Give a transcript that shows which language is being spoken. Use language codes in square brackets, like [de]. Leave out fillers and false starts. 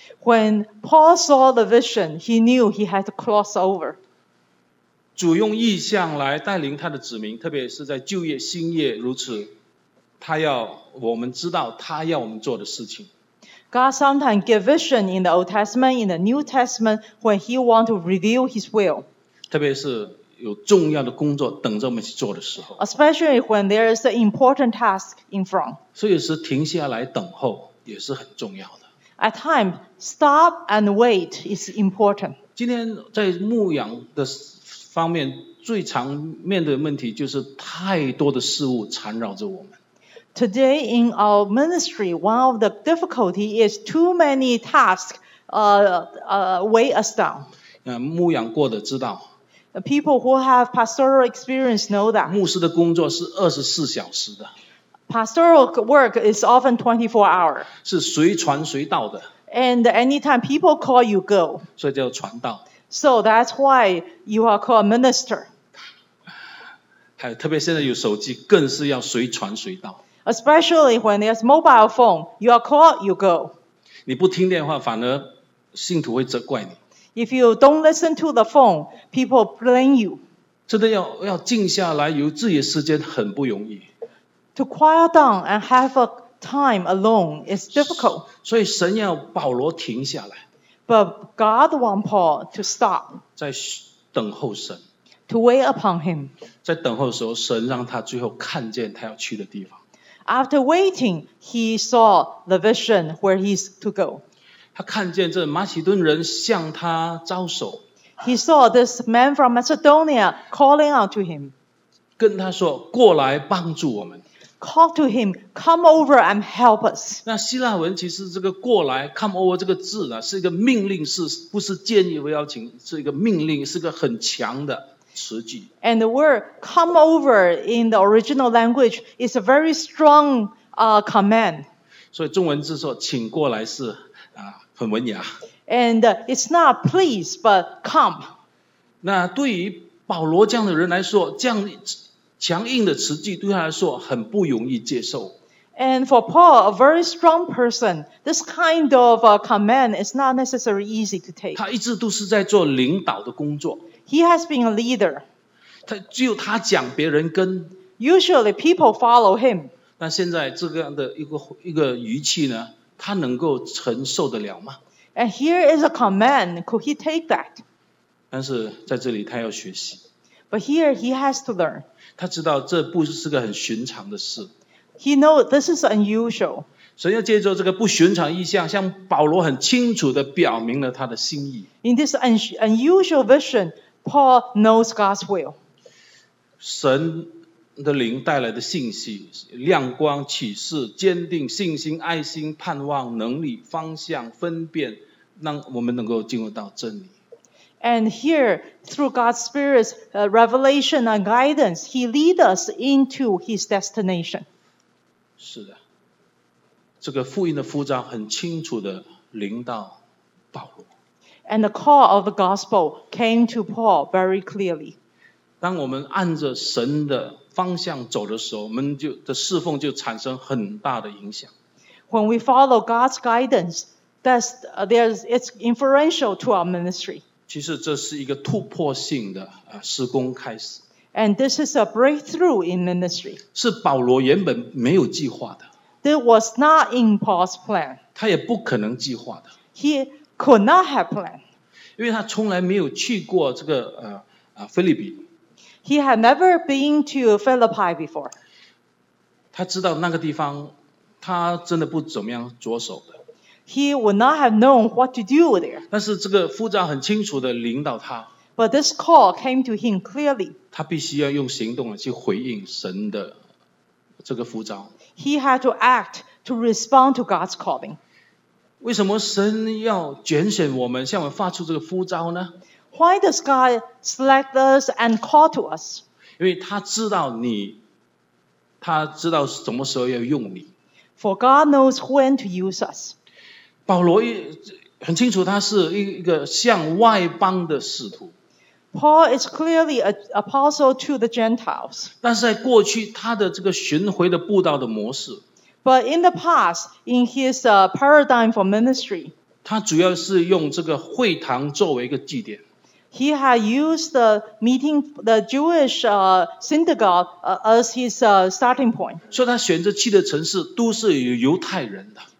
[en] When Paul saw the vision, he knew he had to cross over. [zh] 主用异象来带领他的子民，特别是在旧约、新约如此，他要我们知道他要我们做的事情。 [en] God sometimes gives vision in the Old Testament, in the New Testament, when He wants to reveal His will. [zh] 特别是有重要的工作等着我们去做的时候。 [en] Especially when there is an important task in front. [zh] 所以是停下来等候也是很重要的。 [en] At times, stop and wait is important. [zh] 今天在牧养的方面最常面对的问题就是太多的事物缠绕着我们。 [en] Today in our ministry, one of the difficulties is too many tasks weigh us down. [zh] 牧养过的知道。 [en] People who have pastoral experience know that. [zh] 牧师的工作是24小时的。 [en] Pastoral work is often 24 hours. [zh] 是随传随到的。 [en] And anytime people call you, go. [zh] 所以叫传道。 [en] So that's why you are called minister. [zh] 还有特别现在有手机，更是要随传随到。 [en] Especially when there's mobile phone, you are called, you go. [zh] 你不听电话，反而信徒会责怪你。 [en] If you don't listen to the phone, people blame you. [zh] 真的要静下来，有自己的时间很不容易。 [en] To quiet down and have a time alone is difficult. [zh] 所以神要保罗停下来。 [en] But God wants Paul to stop. [zh] 在等候神。 [en] To wait upon him. [zh] 在等候的时候，神让他最后看见他要去的地方。 [en] After waiting, he saw the vision where he's to go. [zh] 他看见这马其顿人向他招手。 [en] He saw this man from Macedonia calling out to him. [zh] 跟他说，过来帮助我们。 [en] Call to him, come over and help us. [zh] 那希腊文其实这个过来 , [en] come over [zh] 这个字呢，是一个命令，是不是建议或邀请，是一个命令，是个很强的。 [en] And the word come over in the original language is a very strong command. [zh] 所以中文字说请过来是很文雅。 [en] And it's not please, but come. [zh] 那对于保罗这样的人来说，这样强硬的词句对他来说很不容易接受。 [en] And for Paul, a very strong person, this kind of command is not necessarily easy to take. [zh] 他一直都是在做领导的工作。 [en] He has been a leader. [zh] 只有他讲别人跟。 [en] Usually people follow him. [zh] 但现在这个样的一个语气呢，他能够承受得了吗？ [en] And here is a command. Could he take that? [zh] 但是在这里他要学习。 [en] But here he has to learn. [zh] 他知道这不是个很寻常的事。 [en] He knows this is unusual. [zh] 神要借助这个不寻常意象，向保罗很清楚地表明了他的心意。 [en] In this unusual vision, Paul knows God's will. [zh] 神的灵带来的信息，亮光、启示、坚定、信心、爱心、盼望、能力、方向、分辨，让我们能够进入到真理。 [en] And here, through God's Spirit's revelation and guidance, He leads us into His destination. [zh] 是的。这个福音的呼召很清楚地领到保罗。 [en] And the call of the gospel came to Paul very clearly. [zh] 当我们按着神的方向走的时候，我们就的侍奉就产生很大的影响。 [en] When we follow God's guidance, it's influential to our ministry. [zh] 其实这是一个突破性的施工开始。 [en] And this is a breakthrough in ministry. [zh] 是保罗原本没有计划的。 [en] It was not in Paul's plan. [zh] 他也不可能计划的。 [en] He could not have planned. [zh] 因为他从来没有去过这个腓立比。 [en] He had never been to Philippi before. [zh] 他知道那个地方他真的不怎么样着手的。 [en] He would not have known what to do there. [zh] 但是这个呼召很清楚地领导他。 [en] But this call came to him clearly. [zh] 他必须要用行动去回应神的这个呼召。 [en] He had to act to respond to God's calling. [zh] 为什么神要拣选我们，向我们发出这个呼召呢？ [en] Why does God select us and call to us? [zh] 因为他知道你，他知道什么时候要用你。 [en] For God knows when to use us. [zh] 保罗很清楚，他是一个向外邦的使徒。 [en] Paul is clearly an apostle to the Gentiles. [zh] 但是在过去，他的这个巡回的布道的模式。 [en] But in the past, in his paradigm for ministry, [zh] 他主要是用这个会堂作为一个据点。 [en] He had used the Jewish synagogue as his starting point. [zh] 所以他选择去的城市都是有犹太人的。